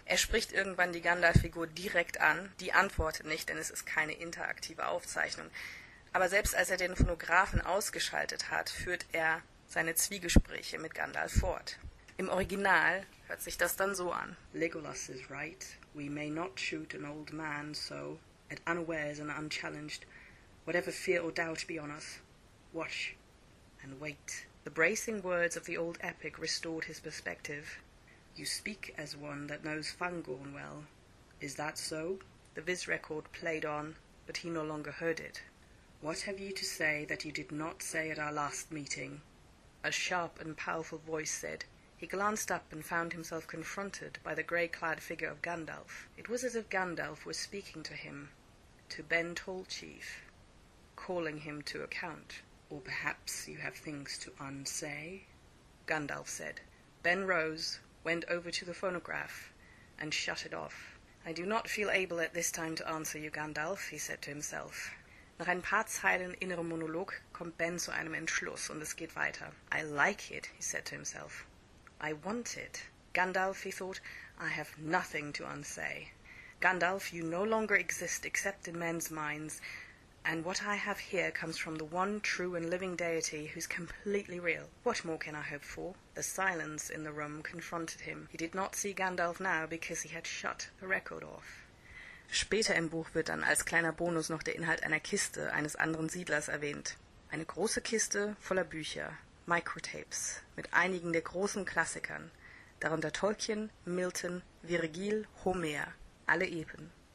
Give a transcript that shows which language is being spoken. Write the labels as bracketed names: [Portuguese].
[German] Er spricht irgendwann die Gandalf-Figur direkt an. Die antwortet nicht, denn es ist keine interaktive Aufzeichnung. Aber selbst als er den Phonographen ausgeschaltet hat, führt er seine Zwiegespräche mit Gandalf fort. Im Original hört sich das dann so an. [English] Legolas is right. We may not shoot an old man, so, at unawares and unchallenged, whatever fear or doubt be on us, watch and wait. The bracing words of the old epic restored his perspective. You speak as one that knows Fangorn well. Is that so? The Viz record played on, but he no longer heard it. What have you to say that you did not say at our last meeting? A sharp and powerful voice said. He glanced up and found himself confronted by the grey-clad figure of Gandalf. It was as if Gandalf were speaking to him, to Ben Tallchief, calling him to account. Or perhaps you have things to unsay? Gandalf said. Ben rose, went over to the phonograph, and shut it off. I do not feel able at this time to answer you, Gandalf, he said to himself. [German] Nach ein paar Zeilen innerem Monolog kommt Ben zu einem Entschluss und es geht weiter. [English] I like it, he said to himself. I want it. Gandalf, he thought, I have nothing to unsay. Gandalf, you no longer exist except in men's minds, and what I have here comes from the one true and living deity who's completely real. What more can I hope for? The silence in the room confronted him. He did not see Gandalf now because he had shut the record off. [German] Später im Buch wird dann als kleiner Bonus noch der Inhalt einer Kiste eines anderen Siedlers erwähnt. Eine große Kiste voller Bücher, Microtapes, mit einigen der großen Klassikern, darunter Tolkien, Milton, Virgil, Homer, alle Epen.